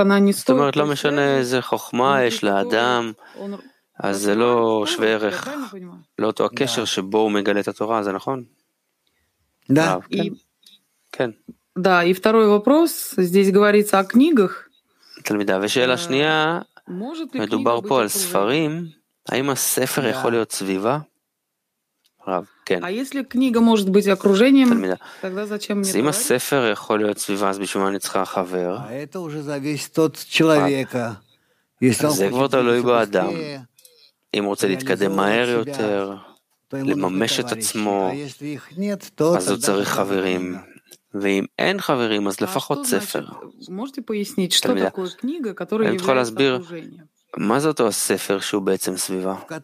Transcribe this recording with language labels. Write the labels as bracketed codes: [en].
[he] זאת אומרת, לא משנה איזה חוכמה יש לאדם, אז זה לא שווה ערך, לא אותו הקשר שבו הוא מגלה את התורה, זה נכון? [ru] Да. [he] כן. [ru] Да, и второй вопрос, здесь говорится о книгах. [he] תלמידה, ושאלה שנייה, מדובר פה על ספרים, האם הספר יכול להיות סביבה? רב, כן. [ru] А если книга может быть окружением, תלמידה. Тогда зачем мне? [he] אם הספר יכול להיות סביבה, אז בשביל מה אני צריכה חבר? [ru] А это уже зависит от человека. [he] זה כבר תלוי באדם. אם הוא רוצה להתקדם מהר יותר, לממש את עצמו, אז הוא צריך חברים. ואם אין חברים, אז לפחות ספר. תלמידה. אני יכול להסביר מה זה אותו הספר שהוא בעצם סביבה?